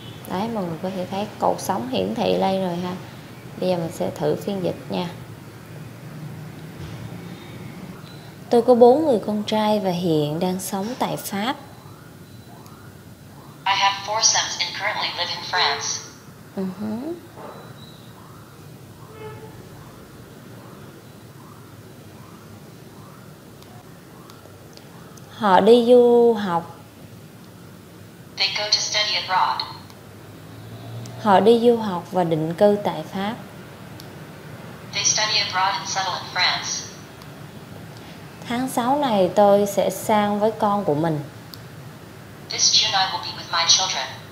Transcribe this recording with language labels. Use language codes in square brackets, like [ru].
[vi] Đấy, mọi người có thể thấy cột sóng hiển thị lên rồi ha. Bây giờ mình sẽ thử phiên dịch nha. Tôi có 4 người con trai và hiện đang sống tại Pháp. [en] I have 4 sons and currently live in France. [vi] Họ đi du học. [en] They go to study abroad. [vi] Họ đi du học và định cư tại Pháp. [en] They study abroad and settle in France. [vi] Tháng 6 này tôi sẽ sang với con của mình. [en] This June I will be with my children.